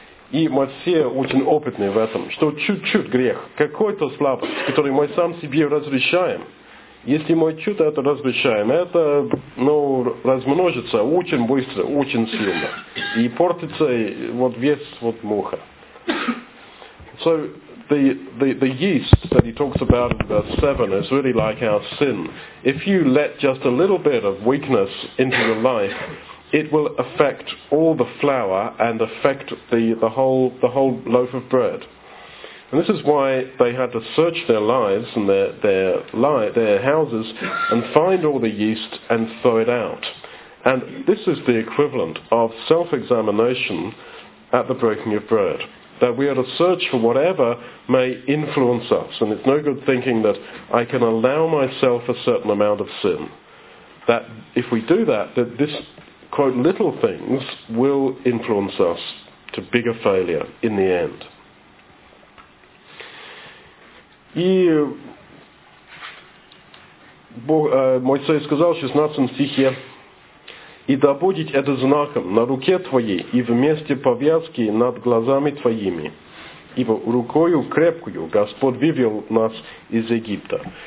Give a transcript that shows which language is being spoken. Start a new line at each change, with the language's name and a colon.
Russian: И мы все очень опытные в этом, что чуть-чуть грех, какой-то слабость, который мы сам себе разрешаем. Если мы чуть это разрешаем, это размножится очень быстро, очень сильно. И портится вот весь вот муха.
English: So, The yeast that he talks about in verse 7 is really like our sin. If you let just a little bit of weakness into your life, it will affect all the flour and affect the whole loaf of bread. And this is why they had to search their lives and their houses and find all the yeast and throw it out. And this is the equivalent of self-examination at the breaking of bread. That we are to search for whatever may influence us. And it's no good thinking that I can allow myself a certain amount of sin. That if we do that, that this, quote, little things will influence us to bigger failure in the end.
Russian: И Моисей сказал в 16 стихе, И да будет это знаком на руке твоей и вместе повязки над глазами твоими. Ибо рукою крепкую Господь вывел нас из Египта.